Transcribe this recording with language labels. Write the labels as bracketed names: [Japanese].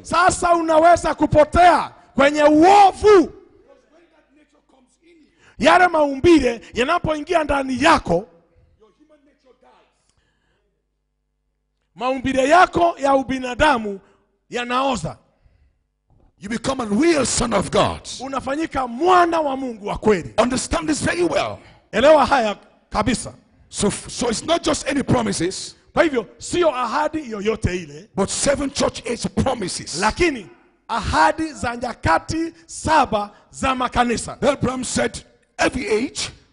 [Swahili] Sasa unaweza kupotea kwenye uovu. Yale maumbile yanapoingia ndani yako, maumbile yako ya ubinadamu yanaoza. [English] You become a real son of God. [Swahili] Unafanyika mwana wa Mungu wa kweli. [English] Understand this very well. [Swahili] Elewa haya kabisa. [English] So it's not just any promises, [Swahili] kwa hivyo sio ahadi yoyote ile, [English] but seven church age promises, [Swahili] lakini ahadi za nyakati saba za makanisa. [English] Abraham said every age,